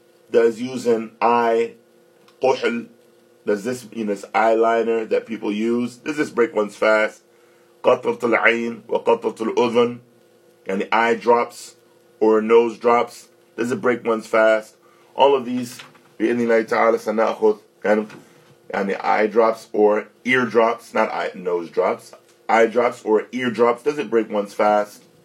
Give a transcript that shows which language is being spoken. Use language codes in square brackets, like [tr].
[en] Does using eye قحل, does this, you know, this eyeliner that people use, does this break one's fast? [ar] قطرة العين وقطرة الأذن. [en] يعني eye drops or nose drops, does it break one's fast? All of these [ar] بإذن الله تعالى سنأخذ. [en] يعني eye drops or ear drops, not nose drops. Eye drops or ear drops, does it break one's fast?